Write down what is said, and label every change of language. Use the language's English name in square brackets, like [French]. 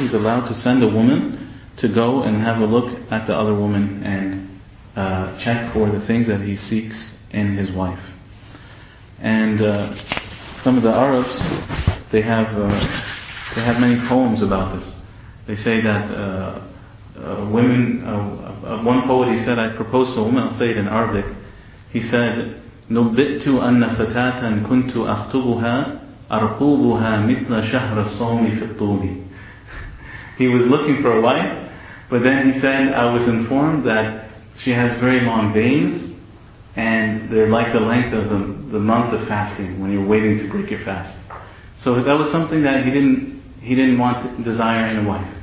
[English] He's allowed to send a woman to go and have a look at the other woman and check for the things that he seeks in his wife. And some of the Arabs, they have many poems about this. They say that women, one poet, he said, I proposed to a woman, I'll say it in Arabic. He said, [Arabic] نُبِّئْتُ أَنَّ فَتَاةً كُنْتُ أَخْطُبُهَا أَرْقُوبُهَا مِثْلَ شَهْرَ الصَّوْمِ فِي الطُّولِ. [English] He was looking for a wife, but then he said, I was informed that she has very long veins, and they're like the length of the month of fasting, when you're waiting to break your fast. So that was something that he didn't want to desire in a wife.